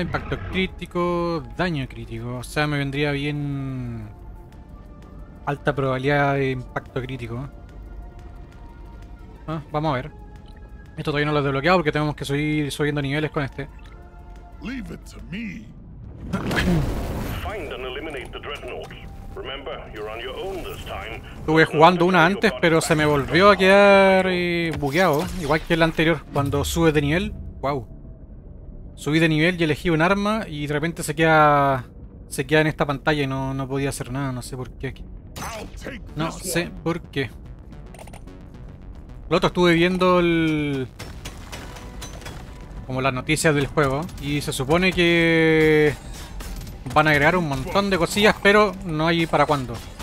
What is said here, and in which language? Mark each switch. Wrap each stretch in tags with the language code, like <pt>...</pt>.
<es>Impacto crítico, daño crítico. O sea, me vendría bien alta probabilidad de impacto crítico. Vamos a ver. Esto todavía no lo he desbloqueado porque tenemos que seguir subiendo niveles con este.</es> <en>Leave it to me. Find and eliminate the dreadnought. Remember, you're on your own this time.</en> <es>Estuve jugando una antes, pero se me volvió a quedar bugueado, igual que el anterior cuando subes de nivel. Wow. Subí de nivel y elegí un arma y de repente se queda en esta pantalla y no podía hacer nada, no sé por qué. No sé por qué. Lo otro, estuve viendo como las noticias del juego y se supone que van a agregar un montón de cosillas, pero no hay para cuándo.</es>